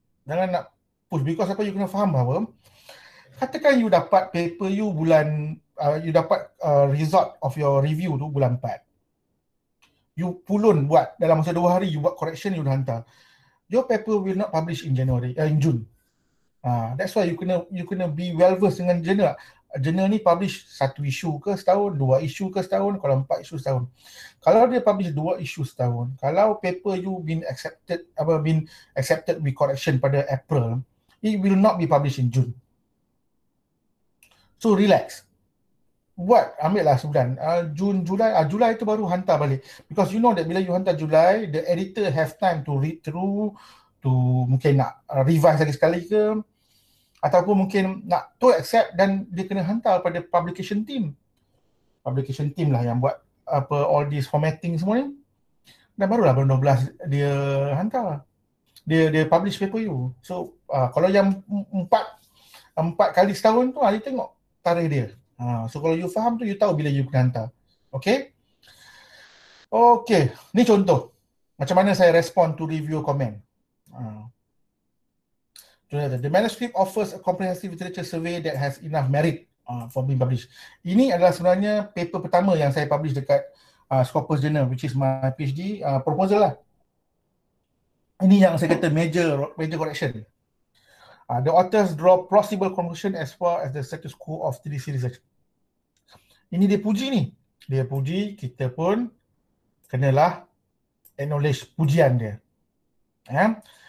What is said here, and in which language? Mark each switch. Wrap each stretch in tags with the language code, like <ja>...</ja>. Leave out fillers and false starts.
<ms>Jangan nak push.</ms> <en>Because</en> <ms>apa, you kena faham bahawa, katakan you dapat paper you bulan you dapat</ms> <en>result of your review</en> <ms>tu bulan 4. You pulun buat dalam masa 2 hari, you buat correction, you dah hantar.</ms> <en>Your paper will not publish in January, in June. That's why you</en> <ms>kena</ms> <en>be well versed</en> <ms>dengan</ms> <en>journal.</en> <ms>Journal ni publish satu isu ke setahun, dua isu ke setahun, kalau empat isu setahun. Kalau dia publish dua isu setahun, kalau</ms> <en>paper you been accepted,</en> <ms>apa,</ms> <en>been accepted with correction</en> <ms>pada</ms> <en>April, it will not be published in June.</en> <ms>So relax. Buat, ambil lah sebulan. Julai tu baru hantar balik.</ms> <en>Because you know that</en> <ms>bila you hantar Julai,</ms> <en>the editor have time to read through, to</en> <ms>mungkin nak</ms> <en>revise</en> <ms>lagi sekali ke, ataupun mungkin nak</ms> <en>to accept</en> <ms>dan dia kena hantar pada</ms> <en>publication team.</en> <ms>Publication team lah yang buat apa</ms> <en>all this formatting</en> <ms>semua ni. Dan barulah bulan 12 dia hantar. Dia publish paper you. So kalau yang empat kali setahun tu, dia tengok tarikh dia. So kalau you faham tu, you tahu bila you kena hantar. Okay? Okay. Ni contoh. Macam mana saya</ms> <en>respond to review comment. The manuscript offers a comprehensive literature survey that has enough merit for being published.</en> <ms>Ini adalah sebenarnya paper pertama yang saya publish dekat Scopus Journal,</ms> <en>which is my PhD proposal</en> <ms>lah. Ini yang saya kata major correction.</ms> <en>The authors draw plausible conclusion as far as the status quo of TDC research.</en> <ms>Ini dia puji ni. Dia puji, kita pun kenalah acknowledge pujian dia. Ya.</ms>